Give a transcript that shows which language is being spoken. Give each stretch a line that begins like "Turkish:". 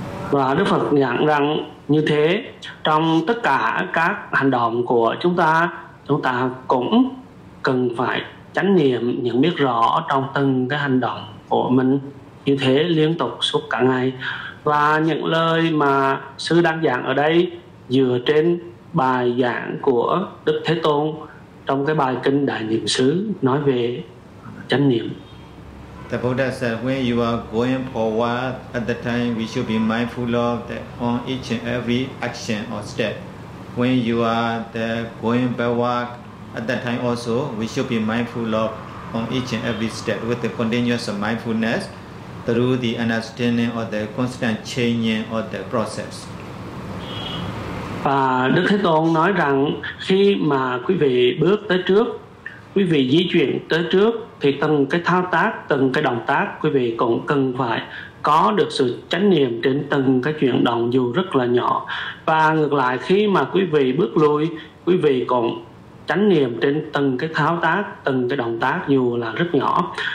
Vietnamese: Và Đức Phật nhận rằng như thế, trong tất cả các hành động của chúng ta cũng cần phải chánh niệm, nhận biết rõ trong từng cái hành động của mình như thế liên tục suốt cả ngày. Và những lời mà sư đang giảng ở đây dựa trên bài giảng của Đức Thế Tôn trong cái bài kinh Đại Niệm Xứ nói về chánh niệm.
English: The Buddha said, when you are going forward, at the time we should be mindful of that on each and every action or step. When you are the going backward, at that time also we should be mindful of on each and every step with the continuous mindfulness through the understanding or the constant changing of the process.
Vietnamese: Và Đức Thế Tôn nói rằng khi mà quý vị bước tới trước, quý vị di chuyển tới trước thì từng cái thao tác, từng cái động tác quý vị cũng cần phải có được sự chánh niệm trên từng cái chuyển động dù rất là nhỏ. Và ngược lại khi mà quý vị bước lui, quý vị cũng chánh niệm trên từng cái thao tác, từng cái động tác dù là rất nhỏ.